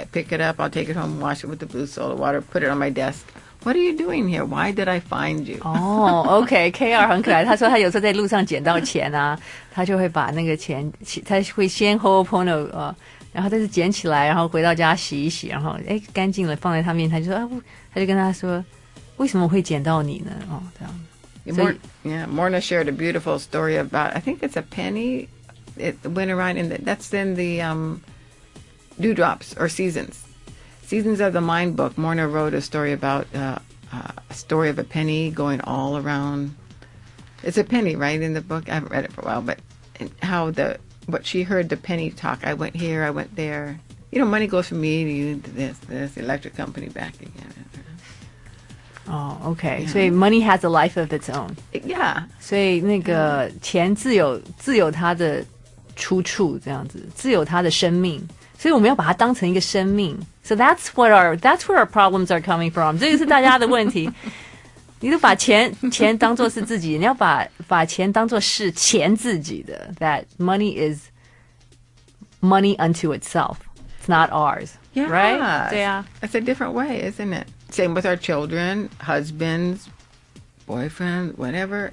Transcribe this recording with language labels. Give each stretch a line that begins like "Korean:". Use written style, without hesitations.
English: I pick it up, I'll take it home, wash it with the blue solar water, put it on my desk. What are you doing here? Why did I find you? Oh, okay.
Chinese: KR 很可爱。他说他有时候在路上捡到钱啊，他就会把那个钱，他会先 Ho'oponopono 然后再是捡起来，然后回到家洗一洗，然后干净了放在他面前，他就说他就跟他说，为什么会捡到你呢？这样。
English: Morna shared a beautiful story about, I think it's a penny. It went around in the dewdrops or seasons. Seasons of the Mind book, Morna wrote a story about a story of a penny going all around. It's a penny, right, in the book? I haven't read it for a while, but how what she heard the penny talk, I went here, I went there. You know, money goes from me to you, to this electric company back again. Oh, okay. Yeah. So money has a life of its own. Yeah.
Chinese: So 那个钱自有它的出处这样子，自有它的生命。所以我们要把它当成一个生命。
English: So that's where our problems are coming from.
Chinese: 这个是大家的问题。你都把钱当作是自己，你要把钱当作是钱自己的。
English: That money is money unto itself. It's not ours. Yeah. Right? Yeah. It's a different way, isn't it? Same with our children, husbands, boyfriends, whatever.